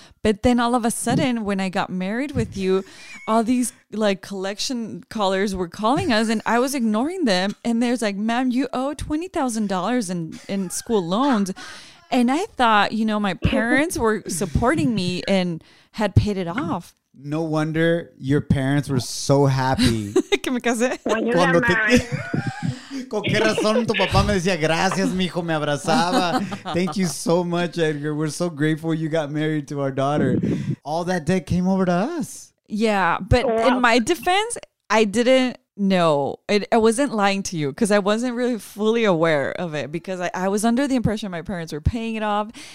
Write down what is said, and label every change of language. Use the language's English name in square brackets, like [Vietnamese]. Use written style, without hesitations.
[English] But then all of a sudden, when I got married with you, all these like collection callers were calling us and I was ignoring them. And there's like, ma'am, you owe $20,000 in school loans. And I thought, you know, my parents were supporting me and had paid it off. No wonder your parents were so happy. [Spanish] Que me casé. [English] When you got married. [Spanish] Con qué razón tu papá me decía gracias, mijo, me abrazaba. [English] Thank you so much, Edgar. We're so grateful you got married to our daughter. All that debt came over to us. Yeah, but in my defense, I didn't know. I wasn't lying to you because I wasn't really fully aware of it because I was under the impression my parents were paying it off.